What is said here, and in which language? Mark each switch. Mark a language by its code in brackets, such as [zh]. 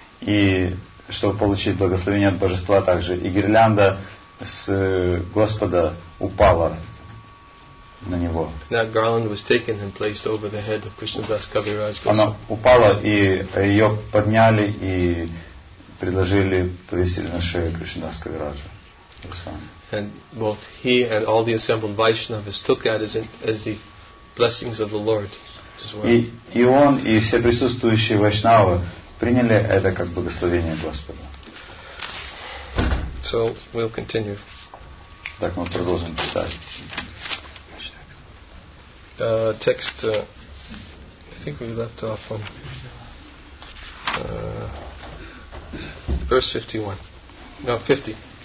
[ru] И чтобы получить благословение от божества также, и гирлянда с Господа упала на него. [en] That garland was taken and placed over the head of Krishnadas Kaviraj Goswami. [ru] Она упала, и ее подняли и предложили повесить на шею Кришнадас Кавираджа Госвами. [en] And both he and all the assembled Vaishnavas took that as the blessings of the Lord as well. [ru] И он, и все присутствующие вайшнавы приняли это как благословение Господа. [en] So we'll continue. [ru] Так мы продолжим читать. Текст. [en] I think we left off on verse 51. No, 50.